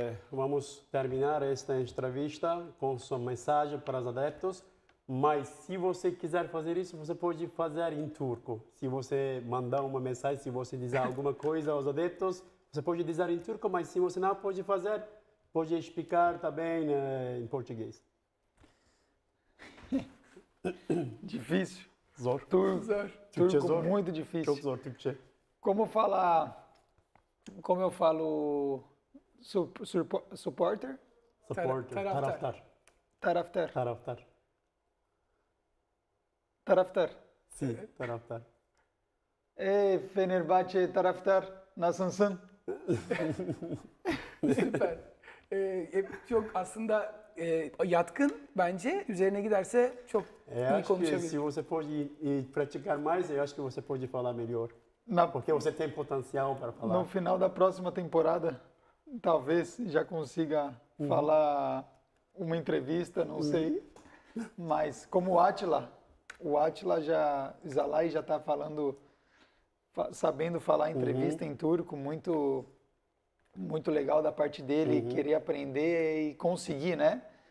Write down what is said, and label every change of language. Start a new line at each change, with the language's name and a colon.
Portuguese: Vamos terminar esta entrevista
Spanish: con su
Portuguese: mensaje para los adeptos. Mas si você quiser fazer isso, você pode fazer em turco. Si você mandar uma mensagem, si você dizer alguma coisa aos adeptos, você pode dizer em turco, mas se você não pode fazer, pode explicar também em português. Difícil.
Turkish: Zor. Türkçe zor.
Portuguese: Muito difícil.
Turkish: Çok zor Türkçe.
Portuguese: Como falar... Como eu falo...
English: Supporter?
Turkish: Supporter. Taraftar. Taraftar. Taraftar. Taraftar.
Portuguese: Sim, taraftar.
Turkish: Ey Fenerbahçe taraftar, nasılsın? Süper. Çok aslında yatkın bence. Üzerine giderse çok iyi konuşabilir.
Portuguese: Si você pode praticar mais, eu acho que você pode falar melhor. Porque você tem potencial para falar. No final da próxima temporada, talvez já consiga falar uma entrevista, não sei. Mas como o Atila já, Zalai já está falando, sabendo falar entrevista em turco, muito, muito legal da parte dele, querer aprender e conseguir, né?